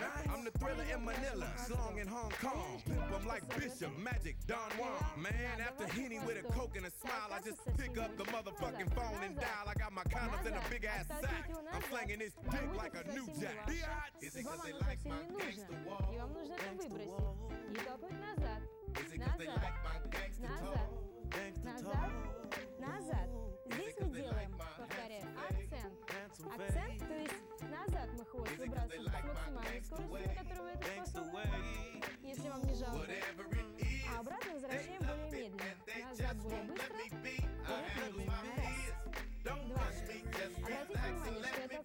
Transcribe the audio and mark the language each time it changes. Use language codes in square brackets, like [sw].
[en] I'm the thriller in Manila, slong in Hong Kong. Pimp, I'm like Bishop, Magic, Don Juan. Man, after Henny with a Coke and a smile, I just pick up the motherfucking phone and dial. I got my condoms in a big ass sack. I'm slanging this dick like a new jack. Is it because they like my gangsta wall? [ru] И вам нужно это выбросить. И толкнуть назад. [en] Is it because they like my gangsta tall? Gangsta tall. [ru] Назад. Здесь мы делаем, повторяю, акцент. Акцент, то есть назад мы хвост выбрасываем с максимальной скоростью, на которую вы это способны, если вам не жалко. А обратно возвращаем более медленно. Назад более быстро. Вверх, медленно. Раз. Два. Обратите внимание, что это